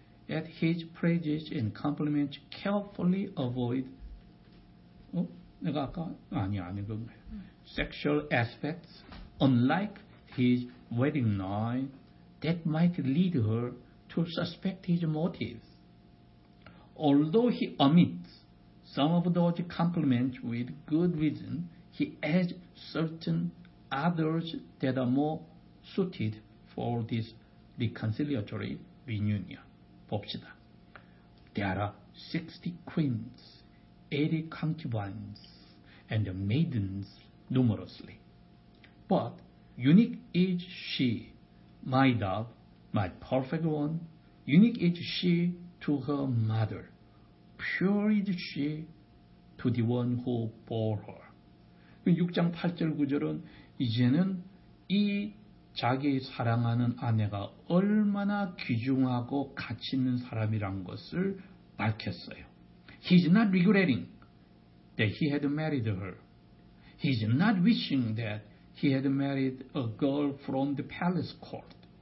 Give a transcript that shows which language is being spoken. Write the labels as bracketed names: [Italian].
[English] At his praises and compliments carefully avoid 어? [Korean] 내가 아까 아니 그런 거예요. [English] Sexual aspects unlike his wedding night that might lead her to suspect his motives. Although he omits some of those compliments with good reason, he has certain others that are more suited for this reconciliatory reunion. [Korean] 봅시다. [English] There are 60 queens, 80 concubines, and maidens numerously. But unique is she, my dove, my perfect one. Unique is she to her mother. Pure is she to the one who bore her. [Korean] 6장 8절 9절은 이제는 이 자기 사랑하는 아내가 얼마나 귀중하고 가치 있는 사람이란 것을 밝혔어요. [English] He is not regretting that he had married her. He is not wishing that he had married a girl from the palace court.